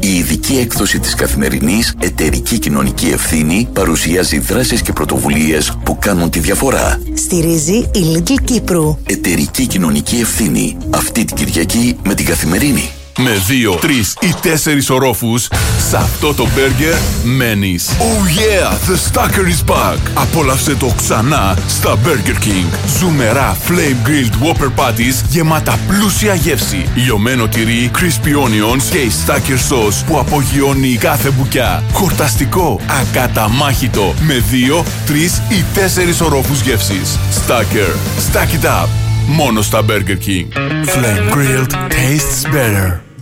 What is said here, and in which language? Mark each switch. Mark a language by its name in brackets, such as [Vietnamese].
[Greek] Η ειδική έκδοση της Καθημερινής «Εταιρική Κοινωνική Ευθύνη» παρουσιάζει δράσεις και πρωτοβουλίες που κάνουν τη διαφορά. Στηρίζει η Little Κύπρου. Εταιρική Κοινωνική Ευθύνη. Αυτή την Κυριακή με την Καθημερινή. Με δύο, τρεις ή τέσσερις ορόφους, σε αυτό το μπέργκερ μένεις. [English] Oh yeah, the Stacker is back. [Greek] Απόλαυσε το ξανά στα Burger King. Ζουμερά Flame Grilled Whopper Patties γεμάτα πλούσια γεύση. Λιωμένο τυρί, crispy onions και η Stacker Sauce που απογειώνει κάθε μπουκιά. Χορταστικό, ακαταμάχητο. Με δύο, τρεις ή τέσσερις ορόφους γεύσης. [English] Stacker, stack it up. [Greek] Μόνο στα [English] Burger King. Flame Grilled tastes better.